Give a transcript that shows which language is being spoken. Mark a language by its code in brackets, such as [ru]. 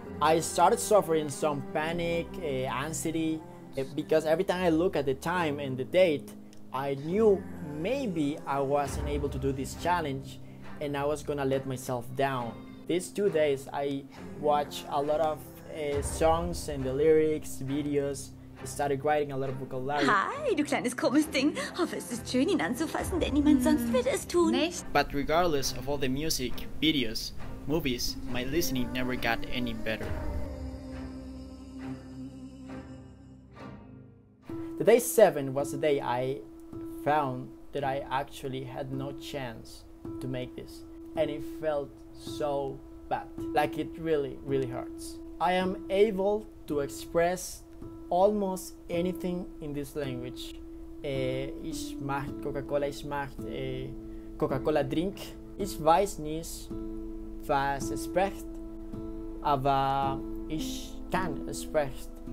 [en] I started suffering some panic, anxiety, because every time I look at the time and the date, I knew maybe I wasn't able to do this challenge, and I was gonna let myself down. These 2 days, I watched a lot of songs and the lyrics, videos, started writing a lot of vocabulary. [de] Hi, du kleines komisches Ding. Hoffe, es ist schön, ihn anzufassen, denn niemand sonst wird es tun. Nicht? [en] But regardless of all the music, videos, movies, my listening never got any better. The day 7 was the day I found that I actually had no chance to make this. And it felt so bad. Like it really, really hurts. I am able to express almost anything in this language. [de] Ich mag Coca-Cola, ich mag Coca-Cola drink. Ich weiß nicht, was es spricht, aber ich kann es sprechen.